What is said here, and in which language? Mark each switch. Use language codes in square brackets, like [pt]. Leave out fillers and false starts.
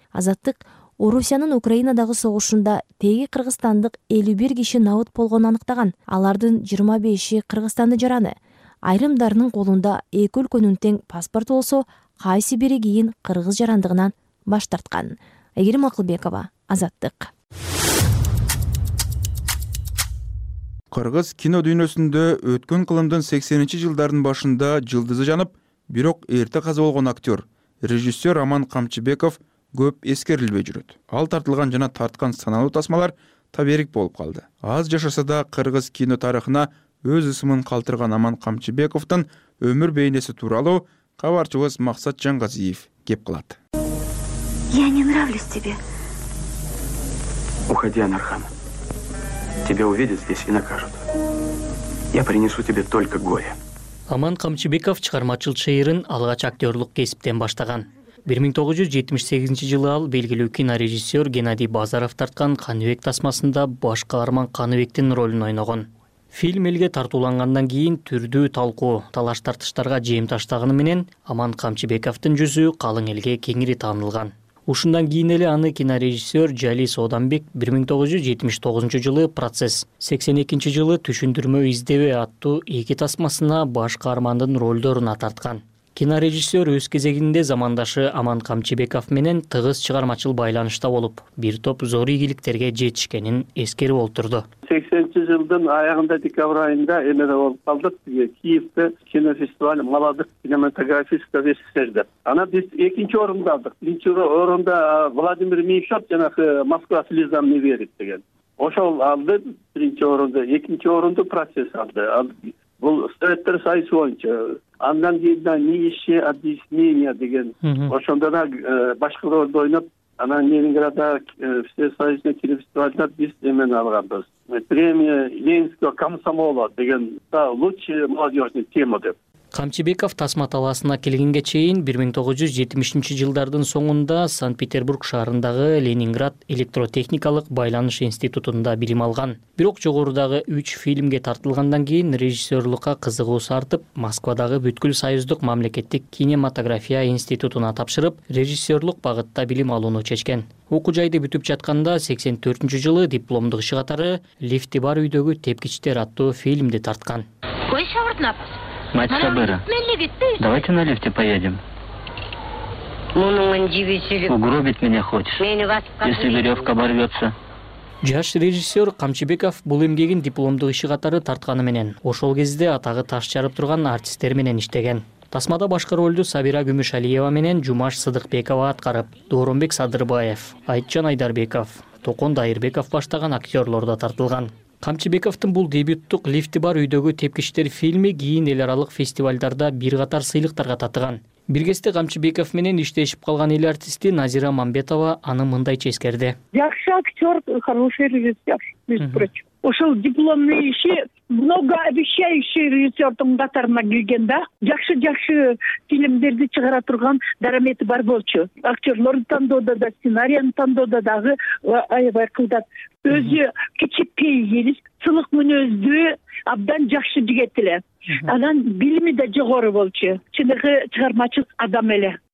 [ky] Азаттык Орусиянын Украинадагы согушунда теги кыргызстандык 51 киши наут болгонун аныктаган. Алардын 25-и Кыргызстанды жараны. Айрымдарынын колунда эки өлкөнүн тең паспорт болсо, кайсы бири кийин кыргыз жарандыгынан баш тарткан. Айгерим Акылбекова, Азаттык. Кыргыз кино дүйнөсүндө өткөн кылымдын 80-чи жылдардын башында жылдызы жанып, бирок эрте каза болгон актер, режиссер Аман Камчыбеков көп эскерилбей жүрөт. Ал тартылган жана тарткан саналуу тасмалар таберик болуп калды. Аз жашаса да кыргыз кино тарыхына өз ысымын калтырган Аман Камчыбековтун өмүр бейнеси тууралуу кабарчыбыз Максат Жангазиев кеп кылат. [ru] Я не нравлюсь тебе. Уходи, Анархан. Тебя увидят здесь и накажут. Я принесу тебе только горе. [ky] Аман Камчыбеков чыгармачыл чыйырын алгач актерлук кесиптен баштаган. 1978 жылы ал белгилүү кинорежиссер Геннадий Базаров тарткан Каныбек тасмасында баш каарман Каныбектин ролун ойногон. Фильм элге тартуулангандан кийин түрдүү талкуу, талаш тартыштарга жем таштаганы менен Аман Камчыбековтун жүзү калың элге кеңири таанылган. Ушундан кийин эле аны кинорежиссер Жалис Оданбек 1979 жылы «Процесс», 82 жылы «Түшүндүрмө издебе» аттуу эки тасмасына баш каармандын ролдоруна тарткан. Кинорежиссер өз кезегинде замандашы Аман Камчыбеков менен тыгыз чыгармачыл байланышта болуп, бир топ зор ийгиликтерге жетишкенин эскерип олтурду. 80-чи жылдын аягында декабрь айында эмеде болуп калдык. Киевде кинофестиваль «Молодых кинематографистов СССР» деп. Анан биз экинчи орунду алдык. Биринчи орунда Владимир Мишот жанагы «Москва слезам не верит» деген. Ошол алды биринчи орунду, экинчи орунду «Процесс» алды. Бул Советтер Союзу боюнча. Андан кийин «Нищие объяснения» деген. Ошондо да башкы ролду ойноп, анан Ленинграда [ru] всесоюзный кинофестиваль [ky] деп биз эмени алганбыз. [ru] Премия Ленинского комсомола деген лучшая молодежный тема деп. [ky] Камчыбеков тасма талаасына келгенге чейин 1970-чи жылдардын соңунда Санкт-Петербург шаарындагы Ленинград электротехникалык байланыш институтунда билим алган. Бирок жогорудагы 3 фильмге тартылгандан кийин режиссерлукка кызыгуусу артып, Москвадагы Бүткүл Союздук мамлекеттик кинематография институтуна тапшырып, режиссерлук багытта билим алууну чечкен. Окуу жайды бүтүп жатканда 84-чү жылы дипломдук иши катары «Лифти бар үйдөгү тепкичтер» аттуу фильмди тарткан. Койшо ортунап. [ru] Мать Сабыра, давайте на лифте поедем. Угробить меня хочешь, если веревка оборвется. [ky] Жаш режиссер Камчыбеков бул эмгегин дипломдук иши катары тартканы менен, ошол кезде атагы таш жарып турган артисттер менен иштеген. Тасмада башкы ролду Сабира Гүмүшалиева менен Жумаш Сыдыкбекова аткарып, Дооронбек Садырбаев, Айтжан Айдарбеков, Токон Дайырбеков баштаган актерлор да тартылган. Камчыбековтун бул дебюттук «Лифти бар үйдөгү тепкичтер» фильми кийин эл аралык фестивалдарда бир катар сыйлыктарга татыган. Бир кезде Камчыбеков менен иштешип калган эл артисти Назира Мамбетова аны мындайча эскерди. Жакшы актер, [ru] хороший режиссер. [ky] Ошол дипломный иши [ru] много обещающий [ky] режиссердун катарына келген да. Жакшы-жакшы фильмдерди чыгара турган дарамети бар болчу. Актерлорду тандоодо да, сценарийин тандоодо дагы аябай кылдат. Өзү кичипейгил, сылык мүнөздүү, абдан жакшы жигит эле. Анан билими да жогору болчу. Чыныгы чыгармачыл адам эле.